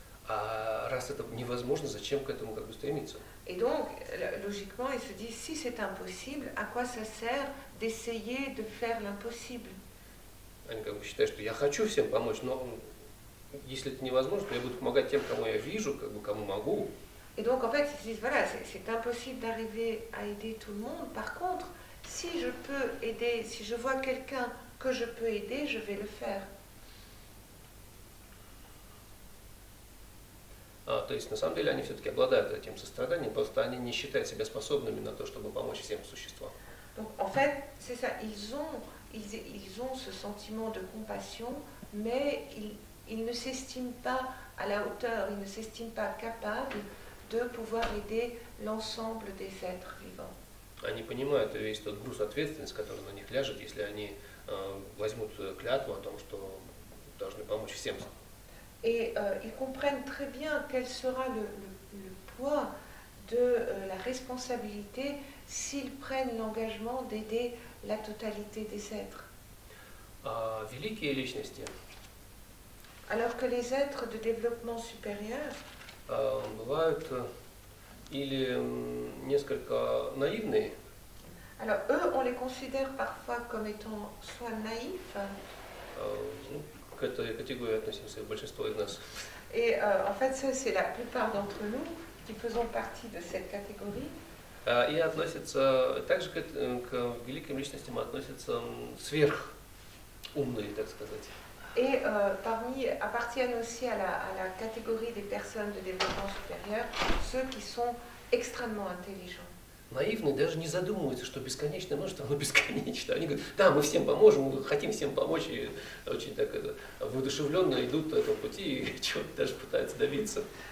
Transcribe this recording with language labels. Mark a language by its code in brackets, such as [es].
[ru] А раз это невозможно, зачем к этому как бы стремиться? [fr] Et donc logiquement, il se dit si c'est impossible, à quoi ça sert d'essayer de faire l'impossible? [ru] Они как бы считают, что я хочу всем помочь, но если это невозможно, то я буду помогать тем, кому я вижу, как бы кому могу. [fr] Et donc en fait, ils se disent voilà, c'est impossible d'arriver à aider tout le monde. Par contre, si je peux aider, si je vois quelqu'un que je peux aider, je vais le faire. [ru] То есть на самом деле они все-таки обладают этим состраданием, просто они не считают себя способными на то, чтобы помочь всем существам. [fr] Donc en fait, c'est ça. Ils ont ce sentiment de compassion, mais ils ne s'estiment pas à la hauteur, ils ne s'estiment pas capables de pouvoir aider l'ensemble des êtres vivants. [ru] Они понимают весь тот груз ответственности, который на них ляжет, если они возьмут клятву о том, что должны помочь всем. [fr] Et ils comprennent très bien quel sera le poids de la responsabilité s'ils prennent l'engagement d'aider la totalité des êtres. [ru] Великие личности. [fr] Alors que les êtres de développement supérieur [ru] бывают или несколько наивные. [fr] Alors eux, on les considère parfois comme étant soit naïfs. [ru] К этой категории относимся большинство из нас. [fr] Et en fait, ça, c'est la plupart d'entre nous qui faisons partie de cette catégorie. [ru] И относятся также к великим личностям относятся сверх умные, так сказать. [fr] Et parmi appartiennent aussi à la catégorie des personnes de développement supérieur, ceux qui sont extrêmement intelligents. [ru] Наивные даже не задумываются, что бесконечное множество, оно бесконечно. Они говорят, да, мы всем поможем, мы хотим всем помочь, и очень так это воодушевленно идут по этому пути и чего-то даже пытаются добиться.